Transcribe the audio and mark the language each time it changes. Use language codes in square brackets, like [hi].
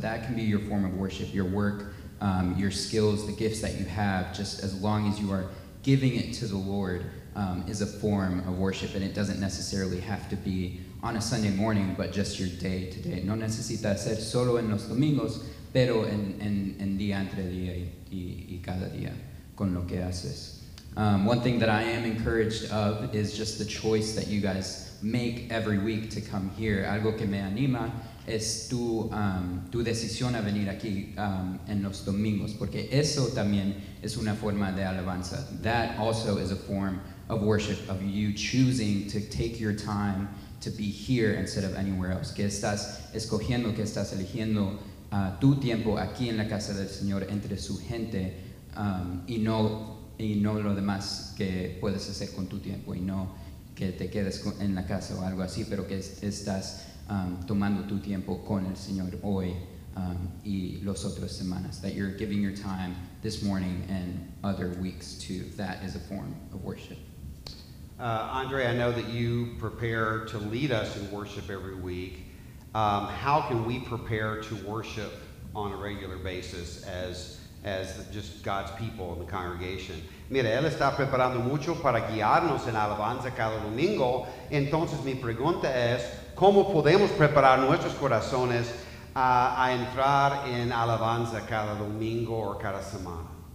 [en] That can be your form of worship, your work, your skills, the gifts that you have, just as long as you are giving it to the Lord, is a form of worship, and it doesn't necessarily have to be on a Sunday morning, but just your day to day. [es] No necesita ser solo en los domingos, pero en día entre día y cada día con lo que haces. [en] One thing that I am encouraged of is just the choice that you guys make every week to come here. [es] Algo que me anima es tu decisión a venir aquí en los domingos, porque eso también es una forma de alabanza. [en] That also is a form of worship, of you choosing to take your time to be here instead of anywhere else. [es] Que estás escogiendo, que estás eligiendo tu tiempo aquí en la casa del Señor entre su gente y no lo demás que puedes hacer con tu tiempo, y no que te quedes en la casa o algo así, pero que estás tomando tu tiempo con el Señor hoy y los otras semanas. [en] That you're giving your time this morning and other weeks too. That is a form of worship. Andre, I know that you prepare to lead us in worship every week. How can we prepare to worship on a regular basis as just God's people in the congregation? [es] Mira, él está preparando mucho para guiarnos en alabanza cada domingo. Entonces, mi pregunta es, ¿cómo podemos preparar nuestros corazones a entrar en alabanza cada domingo o cada semana?